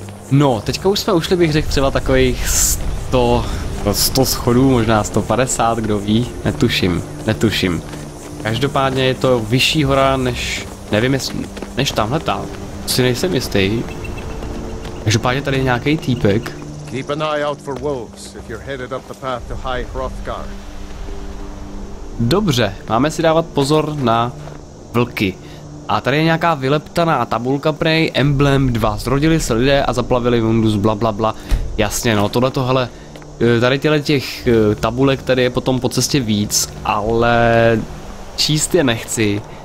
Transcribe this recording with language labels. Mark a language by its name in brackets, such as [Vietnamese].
[Czech] No, teďka už jsme ušli, bych řekl, třeba takových 100 schodů, možná 150, kdo ví, netuším. Každopádně je to vyšší hora než, nevím jestli, než tamhle tam. Si nejsem jistý. Každopádně tady je nějaký týpek. [English] Keep an eye out for wolves, if you're headed up the path to High Hrothgar. [Czech] Dobře, máme si dávat pozor na vlky. A tady je nějaká vyleptaná tabulka prej, emblem 2, zrodili se lidé a zaplavili mundus, blablabla, bla, bla. Jasně, no tohle to hele, Tady těle těch tabulek tady je potom po cestě víc, ale číst je nechci.